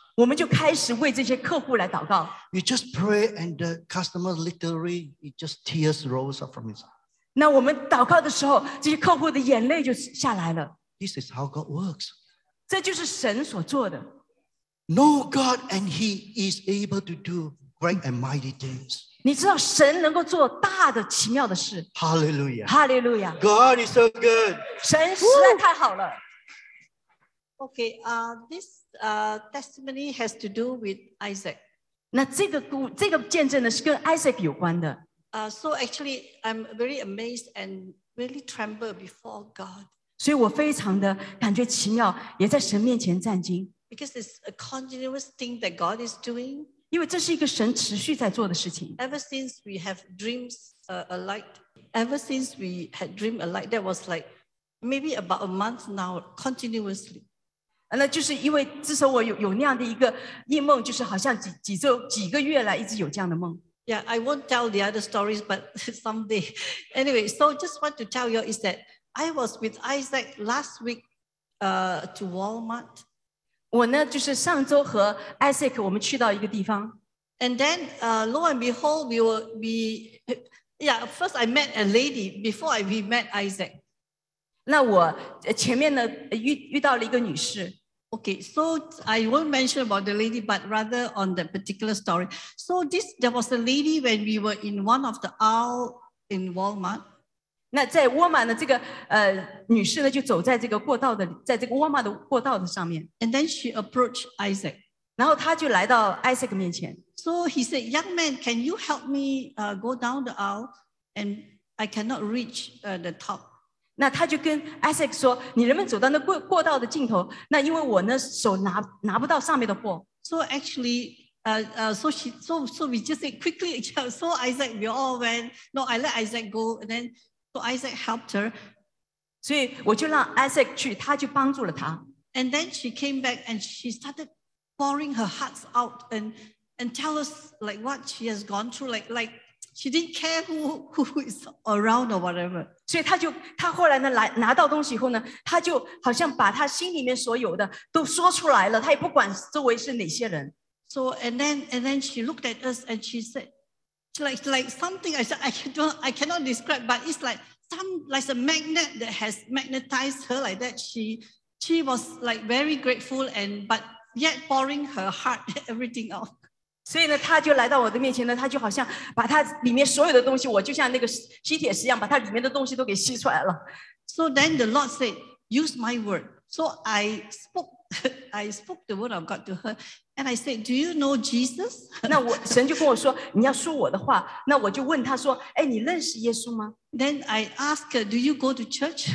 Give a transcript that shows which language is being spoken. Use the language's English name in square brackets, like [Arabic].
[Chinese] 我们就开始为这些客户来祷告。 [English] We just pray, and the customer literally it just tears rose up from his eyes。 [Chinese] 那我们祷告的时候，这些客户的眼泪就下来了。 [English] This is how God works。 [Chinese] 这就是神所做的。 [English] Know God, and He is able to do great and mighty things。 [Chinese] 你知道神能够做大的奇妙的事。 [English] Hallelujah. Hallelujah. God is so good. [Chinese] 神实在太好了。 [English] Okay, this testimony has to do with Isaac. [Chinese] 那这个见证呢是跟 Isaac 有关的。 [English] So actually, I'm very amazed and really tremble before God. [Chinese] 所以我非常的感觉奇妙，也在神面前战惊。 [English] Because it's a continuous thing that God is doing. [Chinese] 因为这是一个神持续在做的事情。 [English] Ever since we have dreams alike, ever since we had dream alike, that was like maybe about a month now, continuously. [Chinese] 那就是因为自从我有那样的一个异梦，就是好像几个月来一直有这样的梦。 [English] Yeah, I won't tell the other stories, but someday. Anyway, so just want to tell you is that I was with Isaac last week to Walmart. [Chinese] 我呢，就是上周和 Isaac 我们去到一个地方 [English] ，and then lo and behold, first I met a lady before we met Isaac. [Chinese] 那我前面呢遇到了一个女士。 [English] Okay, so I won't mention about the lady, but rather on that particular story. So there was a lady when we were in one of the aisle in Walmart. [Chinese] 那在沃尔玛呢，这个女士呢就走在这个过道的，在这个沃尔玛的过道的上面。 [English] And then she approached Isaac. [Chinese] 然后她就来到 Isaac 面前。 [English] So he said, "Young man, can you help me go down the aisle? And I cannot reach the top." [Chinese] 那他就跟 Isaac 说，你能不能走到那过道的尽头？那因为我呢手拿不到上面的货。 [English] So actually. So we just said quickly. So Isaac, we all went. No, I let Isaac go. And then. So Isaac helped her. [Chinese] 所以我就让 Isaac 去，他就帮助了他。 [English] And then she came back and she started pouring her heart out and tell us like what she has gone through, like she didn't care who is around or whatever. [Chinese] 所以他就他后来呢来拿到东西以后呢，他就好像把他心里面所有的都说出来了，他也不管周围是哪些人。 [English] So and then she looked at us and she said, like something I said I cannot describe, but it's like a magnet that has magnetized her like that. She was like very grateful and but yet pouring her heart everything out. [Chinese] 所以呢，他就来到我的面前呢，他就好像把他里面所有的东西，我就像那个吸铁石一样，把他里面的东西都给吸出来了。 [English] So then the Lord said, "Use my word." So I spoke the word of God to her, and I said, "Do you know Jesus?" [Chinese] 那我神就跟我说，你要说我的话。那我就问他说，哎，你认识耶稣吗？ [English] Then I asked her, "Do you go to church?"